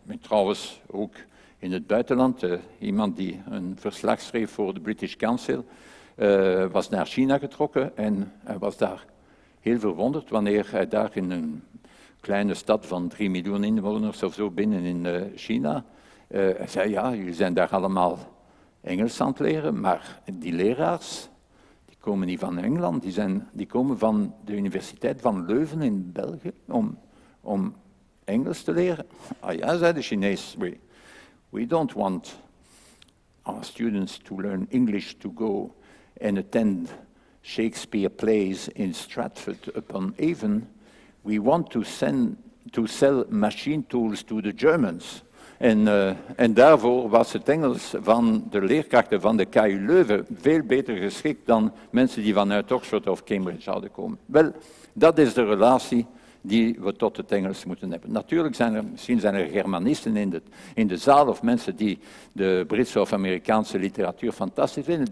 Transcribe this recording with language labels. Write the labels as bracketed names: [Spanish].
[Dutch] En trouwens, ook in het buitenland, iemand die een verslag schreef voor de British Council, was naar China getrokken en hij was daar heel verwonderd wanneer hij daar in een kleine stad van 3 miljoen inwoners of zo binnen in China, hij zei, ja, jullie zijn daar allemaal Engels aan het leren, maar die leraars, die komen niet van Engeland, die komen van de Universiteit van Leuven in België om Engels te leren. Ah ja, zei de Chinees, [English] we don't want our students to learn English to go and attend Shakespeare plays in Stratford upon Avon. We want to sell machine tools to the Germans. [Dutch] En daarvoor was het Engels van de leerkrachten van de KU Leuven veel beter geschikt dan mensen die vanuit Oxford of Cambridge zouden komen. Wel, dat is de relatie die we tot het Engels moeten hebben. Natuurlijk zijn er Germanisten in de zaal of mensen die de Britse of Amerikaanse literatuur fantastisch vinden.